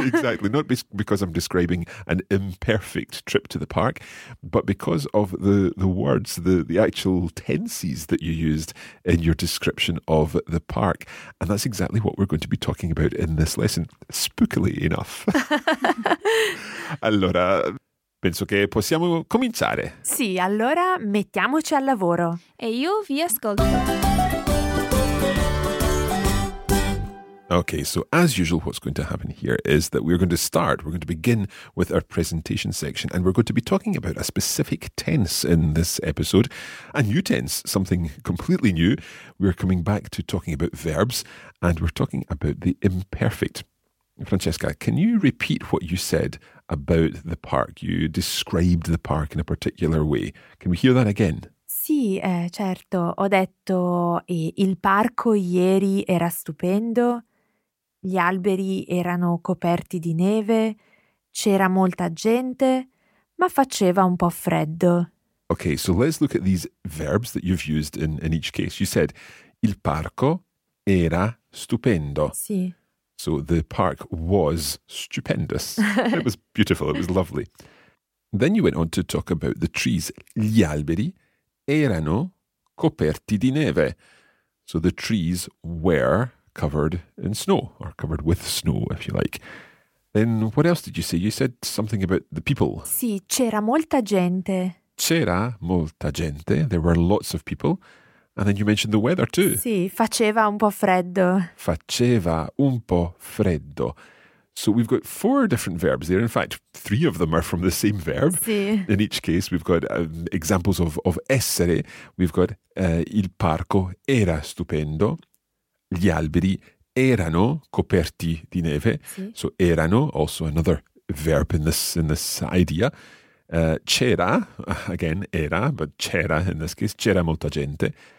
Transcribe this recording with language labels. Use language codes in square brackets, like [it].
[en] Exactly, not because I'm describing an imperfect trip to the park, but because of the words, the actual tenses that you used in your description of the park. And that's exactly what we're going to be talking about in this lesson, spookily enough. [it] Allora, penso che possiamo cominciare. Sì, allora mettiamoci al lavoro. E io vi ascolto. [en] Okay, so as usual, what's going to happen here is that we're going to begin with our presentation section, and we're going to be talking about a specific tense in this episode, a new tense, something completely new. We're coming back to talking about verbs, and we're talking about the imperfect. Francesca, can you repeat what you said about the park? You described the park in a particular way. Can we hear that again? [it] Sì, certo. Ho detto il parco ieri era stupendo. Gli alberi erano coperti di neve, c'era molta gente, ma faceva un po' freddo. [en] Okay, so let's look at these verbs that you've used in each case. You said, [it] il parco era stupendo. Sì. [en] So the park was stupendous. It was beautiful, it was lovely. Then you went on to talk about the trees. [it] Gli alberi erano coperti di neve. [en] So the trees were covered in snow, or covered with snow, if you like. Then what else did you say? You said something about the people. [it] Sì, c'era molta gente. C'era molta gente. [en] There were lots of people. And then you mentioned the weather too. [it] Sì, faceva un po' freddo. Faceva un po' freddo. [en] So we've got four different verbs there. In fact, three of them are from the same verb. [it] Sì. [en] In each case, we've got examples of essere. We've got [it] il parco era stupendo. gli alberi erano coperti di neve. Sì. [en] So erano, also another verb in this idea. [it] C'era, again, era, but c'era [en] in this case, [it] c'era molta gente.